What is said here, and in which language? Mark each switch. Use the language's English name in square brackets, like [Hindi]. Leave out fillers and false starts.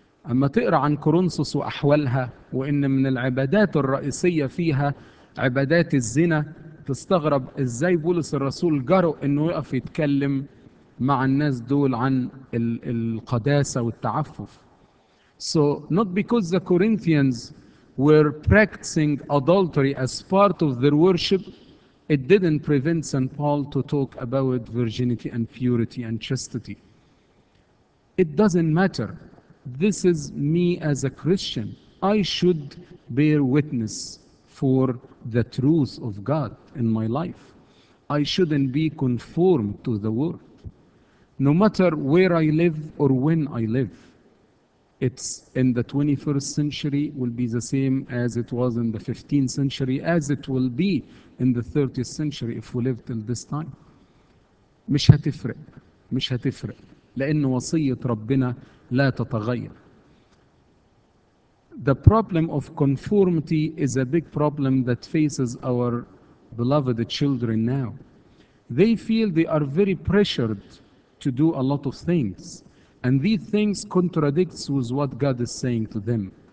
[Arabic] اما تقرأ عن كورنثوس واحوالها وان من العبادات الرئيسية فيها عبادات الزنا, تستغرب ازاي بولس الرسول جرؤ انه يقف يتكلم مع الناس دول عن القداسة والتعفف. [English] So not because the Corinthians were practicing adultery as part of their worship, it didn't prevent St. Paul to talk about virginity and purity and chastity. It doesn't matter. This is me as a Christian. I should bear witness for the truth of God in my life. I shouldn't be conformed to the world. No matter where I live or when I live, it's in the 21st century will be the same as it was in the 15th century, as it will be in the 30th century if we live till this time. [Arabic] مش هتفرق، مش هتفرق، لأن وصية ربنا لا تتغير. [English] The problem of conformity is a big problem that faces our beloved children now. They feel they are very pressured to do a lot of things, and these things contradicts with what God is saying to them.